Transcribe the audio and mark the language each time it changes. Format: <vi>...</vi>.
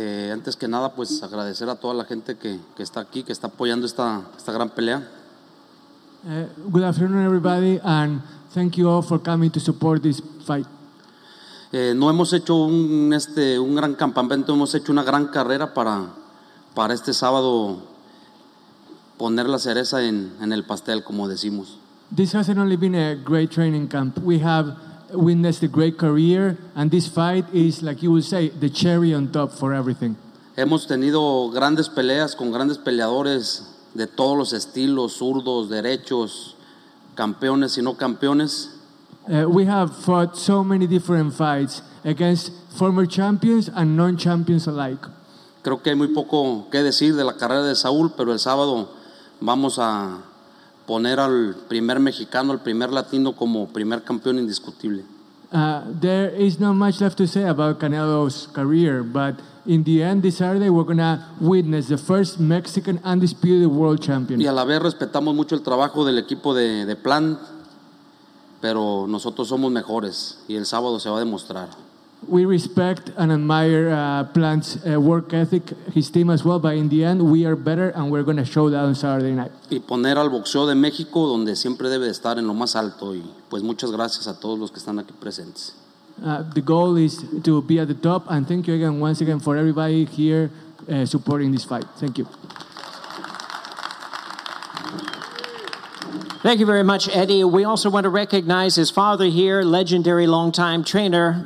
<es>Antes que nada, pues agradecer a toda la gente que está aquí, que está apoyando esta gran pelea.</es> <en>Good afternoon, everybody, and thank you all for coming to support this fight.</en> <es>No hemos hecho un gran campamento, hemos hecho una gran carrera para este sábado poner la cereza en el pastel, como decimos.</es> <en>This hasn't only been a great training camp. We have witnessed a great career, and this fight is, like you would say, the cherry on top for everything.</en> <es>Hemos tenido grandes peleas con grandes peleadores de todos los estilos, zurdos, derechos, campeones y no campeones.</es> <en>We have fought so many different fights against former champions and non-champions alike.</en> <es>Creo que hay muy poco que decir de la carrera de Saúl, pero el sábado vamos a poner al primer mexicano, al primer latino como primer campeón indiscutible.</es> <en>There is not much left to say about Canelo's career, but in the end, this Saturday, we're going to witness the first Mexican undisputed world champion.</en> <es>Y a la vez respetamos mucho el trabajo del equipo de Plan, pero nosotros somos mejores y el sábado se va a demostrar. We respect and admire Plant's work ethic, his team as well, but in the end, we are better and we're going to show that on Saturday night. Y poner al boxeo de México donde siempre debe estar en lo más alto. Y pues muchas gracias a todos los que están aquí presentes.</es> <en>The goal is to be at the top, and thank you again, once again, for everybody here supporting this fight. Thank you. Thank you very much, Eddie. We also want to recognize his father here, legendary longtime trainer.</en>